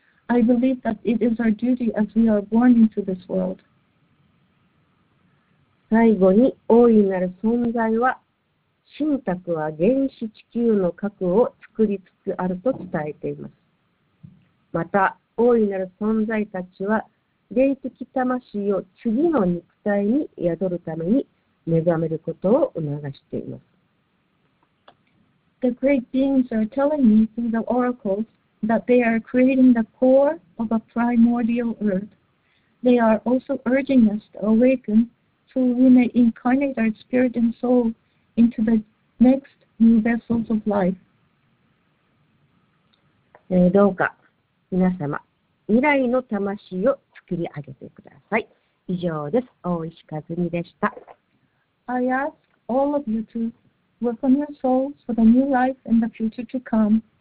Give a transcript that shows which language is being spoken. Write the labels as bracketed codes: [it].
[en] I believe that it is our duty as we are born into this world. [ja] 最後に、大いなる存在は、神託は原始地球の核を作りつつあると伝えています。また、大いなる存在たちは、霊的魂を次の肉体に宿るために目覚めることを促しています。 [en] The great beings are telling me through the oracles that they are creating the core of a primordial earth. They are also urging us to awaken so we may incarnate our spirit and soul into the next new vessels of life. [ja] どうか皆様、未来の魂を切り上げてください。以上です。大石和美でした。 [en] I ask all of you to welcome your souls for the new life and the future to come.